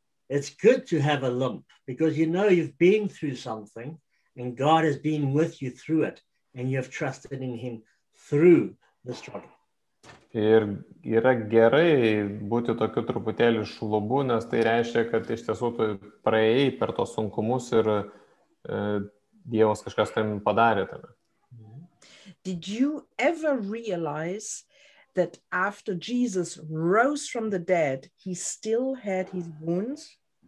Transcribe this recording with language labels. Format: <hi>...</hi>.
<en>It's good to have a limp because you know you've been through something and God has been with you through it and you have trusted in him through the struggle.</en> <lt>Ir yra gerai būti tokiu truputėlį šlubu, nes tai reiškia, kad iš tiesų tu praėjai per tos sunkumus ir Dievas kažkas tam padarė tave.</lt> <en>Did you ever realize that after Jesus rose from the dead, he still had his wounds?</en>